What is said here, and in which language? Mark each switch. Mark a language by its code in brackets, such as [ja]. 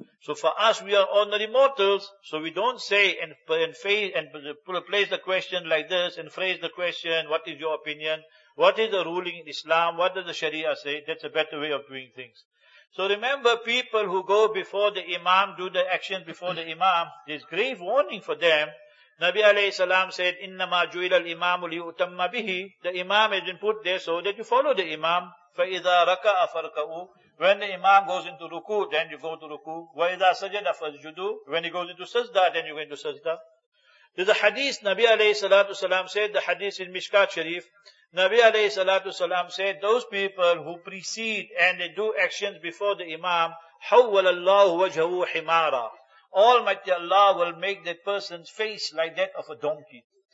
[en] So for us, we are ordinary mortals, so we don't say and place the question like this and phrase the question, what is your opinion? What is the ruling in Islam? What does the Sharia say? That's a better way of doing things. So remember, people who go before the Imam, do the actions before the Imam, there's grave warning for them. Nabi alayhi salam said, [ar] إِنَّمَا جُوِلَ الْإِمَامُ لِيُؤْتَمَّ بِهِ. [en] The Imam has been put there so that you follow the Imam. [ar] فَإِذَا رَكَعَ فَرْكَعُوا. [en] When the imam goes into ruku, then you go to ruku. [ar] وَإِذَا سَجَدَ فَسْجُدُوا. [en] When he goes into sajda, then you go into sajda. Did the hadith, Nabi alayhi salatu salam said, the hadith in Mishkat Sharif, Nabi alayhi salatu salam said, those people who precede and they do actions before the imam, [ar] حَوَّلَ اللَّهُ وَجَهُ حِمَارًا, [en] Almighty Allah will make that person's face like that of a donkey.